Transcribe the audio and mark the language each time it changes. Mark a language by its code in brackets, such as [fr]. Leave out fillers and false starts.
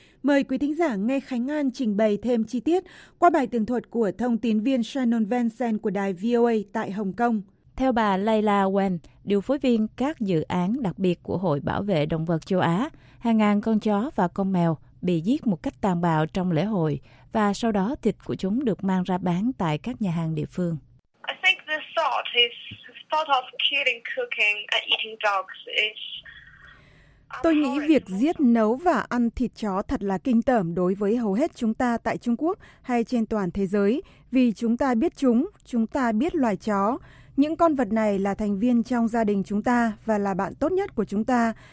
[vi] Mời quý thính giả nghe Khánh An trình bày thêm chi tiết qua bài tường thuật của thông tín viên Shannon Vincent của đài VOA tại Hồng Kông. Theo bà Leila Wen, điều phối viên các dự án đặc biệt của Hội Bảo vệ Động vật Châu Á, hàng ngàn con chó và con mèo bị giết một cách tàn bạo trong lễ hội và sau đó thịt của chúng được mang ra bán tại các nhà hàng địa phương. [en] I think the thought of killing, cooking and eating dogs is... [vi] Tôi nghĩ việc giết, nấu và ăn thịt chó thật là kinh tởm đối với hầu hết chúng ta tại Trung Quốc hay trên toàn thế giới, vì chúng ta biết chúng ta biết loài chó. Những con vật này là thành viên trong gia đình chúng ta và là bạn tốt nhất của chúng ta.